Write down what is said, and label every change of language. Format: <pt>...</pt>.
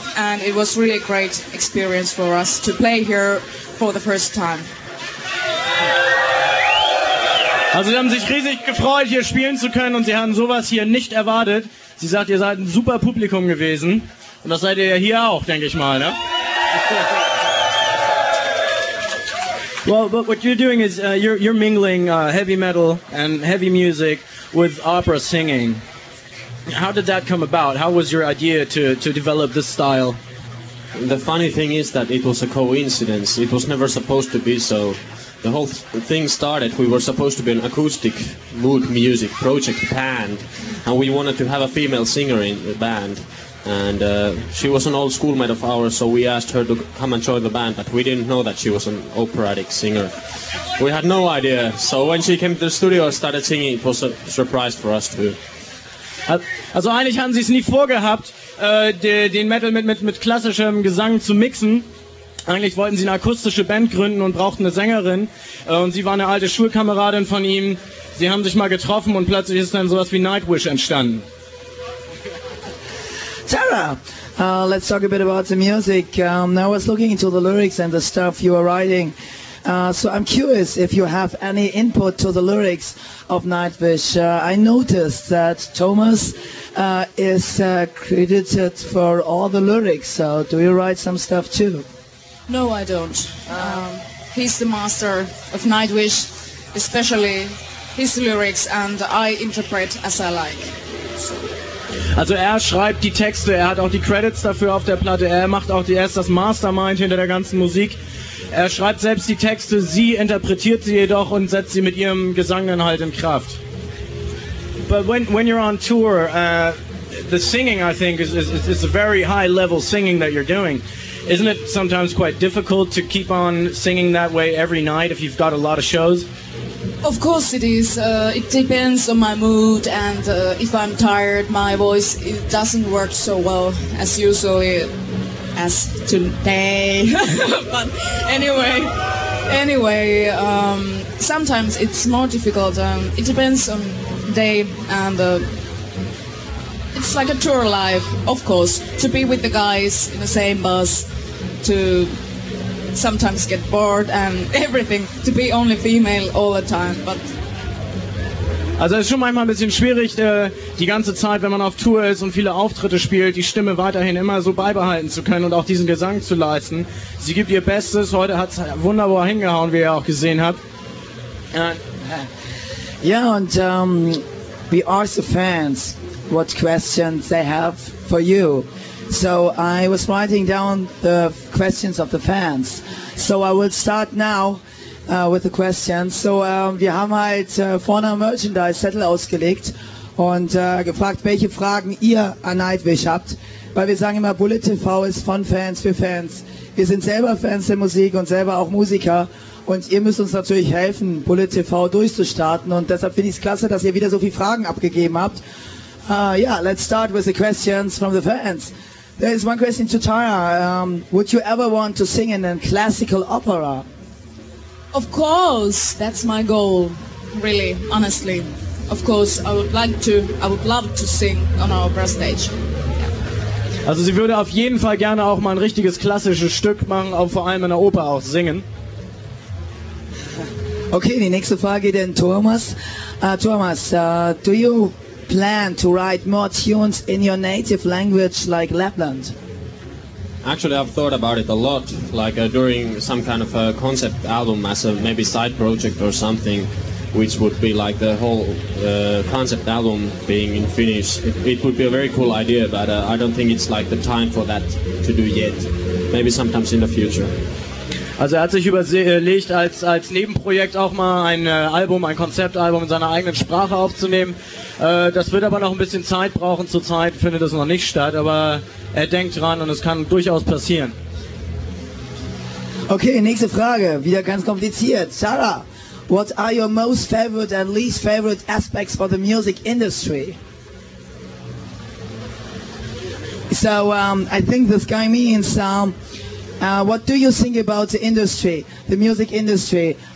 <en>And it was really a great experience for us to play here for the first time.</en> <de>Also, sie haben sich riesig gefreut, hier spielen zu können und sie haben sowas hier nicht erwartet. Sie sagt, ihr seid ein super Publikum gewesen. Und das seid ihr ja hier auch, denke ich mal, ne?</de> <en>Well, but what you're doing is you're mingling heavy metal and heavy music with opera singing. How did that come about? How was your idea to develop this style? The funny thing is that it was a coincidence. It was never supposed to be so. The whole thing started, we were supposed to be an acoustic mood music project band, and we wanted to have a female singer in the band. And she was an old schoolmate of ours, so we asked her to come and join the band, but we didn't know that she was an operatic singer. We had no idea, so when she came to the studio and started singing, it was a surprise for us too.</en> <de>Also eigentlich hatten sie es nie vorgehabt, den Metal mit klassischem Gesang zu mixen. Eigentlich wollten sie eine akustische Band gründen und brauchten eine Sängerin. Und sie war eine alte Schulkameradin von ihm. Sie haben sich mal getroffen und plötzlich ist dann sowas wie Nightwish entstanden.</de> <en>Sarah, let's talk a bit about the music. I was looking into the lyrics and the stuff you were writing. So I'm curious if you have any input to the lyrics of Nightwish. I noticed that Thomas is credited for all the lyrics. So do you write some stuff too? No, I don't. He's the master of Nightwish, especially his lyrics, and I interpret as I like.</en> <de>Also er schreibt die Texte, er hat auch die Credits dafür auf der Platte, er macht auch die, er ist das Mastermind hinter der ganzen Musik. Er schreibt selbst die Texte, sie interpretiert sie jedoch und setzt sie mit ihrem Gesang dann halt in Kraft.</de> <en>But when you're on tour, the singing, I think, is a very high level singing that you're doing. Isn't it sometimes quite difficult to keep on singing that way every night if you've got a lot of shows? Of course it is. It depends on my mood, and if I'm tired, my voice, it doesn't work so well as usually as today. But anyway, sometimes it's more difficult. It depends on day, and it's like a tour life, of course, to be with the guys in the same bus, to sometimes get bored and everything, to be only female all the time, but...</en> <de>Also es ist schon manchmal ein bisschen schwierig, die ganze Zeit, wenn man auf Tour ist und viele Auftritte spielt, die Stimme weiterhin immer so beibehalten zu können und auch diesen Gesang zu leisten. Sie gibt ihr Bestes, heute hat es wunderbar hingehauen, wie ihr auch gesehen habt. Und</de> <en>we are the fans, what questions they have for you. So I was writing down the questions of the fans. So I will start now with the questions.</en> <de>So wir haben halt vorne am Merchandise Zettel ausgelegt und gefragt, welche Fragen ihr an Nightwish habt. Weil wir sagen immer, Bullet TV ist von Fans für Fans. Wir sind selber Fans der Musik und selber auch Musiker. Und ihr müsst uns natürlich helfen, Bullet TV durchzustarten. Und deshalb finde ich es klasse, dass ihr wieder so viele Fragen abgegeben habt.</de> <en>Let's start with the questions from the fans. There is one question to Tara. Would you ever want to sing in a classical opera? Of course, that's my goal, really, honestly. Of course, I would love to sing on our opera stage. Yeah.</en> <de>Also sie würde auf jeden Fall gerne auch mal ein richtiges klassisches Stück machen, auch vor allem in der Oper auch singen. Okay, die nächste Frage an Thomas.</de> <en>Thomas, do you plan to write more tunes in your native language like Lapland? Actually, I've thought about it a lot, like during some kind of a concept album as a maybe side project or something, which would be like the whole concept album being in Finnish. It would be a very cool idea, but I don't think it's like the time for that to do yet. Maybe sometimes in the future.</en> <de>Also hat sich überlegt, als Nebenprojekt auch mal ein Album, ein Konzeptalbum in seiner eigenen Sprache aufzunehmen. Das wird aber noch ein bisschen Zeit brauchen. Zurzeit findet das noch nicht statt, aber er denkt dran und es kann durchaus passieren. Okay, nächste Frage, wieder ganz kompliziert.</de> <en>Sarah, what are your most favorite and least favorite aspects for the music industry? So, I think this guy means... what do you think about the industry, the music industry?</en>